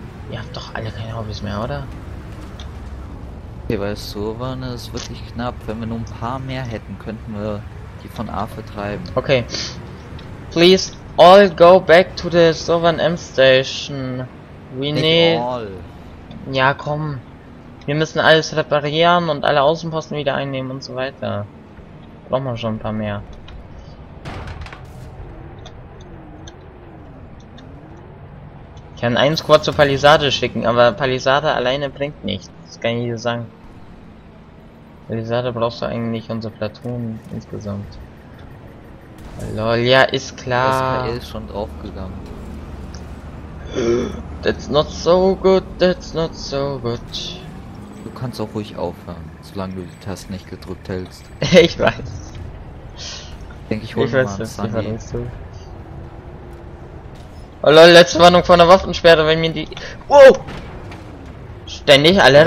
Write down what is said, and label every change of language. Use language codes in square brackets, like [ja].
[de] Ihr habt doch alle keine Hobbys mehr, oder? Okay, weil Sovan ist wirklich knapp. Wenn wir nur ein paar mehr hätten, könnten wir die von A vertreiben. Okay. [en] Please all go back to the Sovan M Station. We need. [de] Ja, komm. Wir müssen alles reparieren und alle Außenposten wieder einnehmen und so weiter. Brauchen wir schon ein paar mehr. Ich kann einen Squad zur Palisade schicken, aber Palisade alleine bringt nichts. Das kann ich dir sagen. Palisade brauchst du eigentlich unser Platoon insgesamt. Lol, ja, ist klar. Das KL ist schon draufgegangen. [en] That's not so good, that's not so good. [de] Du kannst auch ruhig aufhören, solange du die Taste nicht gedrückt hältst. Ich weiß. Denke ich, hol mal einen Sunny. Oh lol, letzte Warnung von der Waffensperre, wenn mir die... Wow! Ständig alle...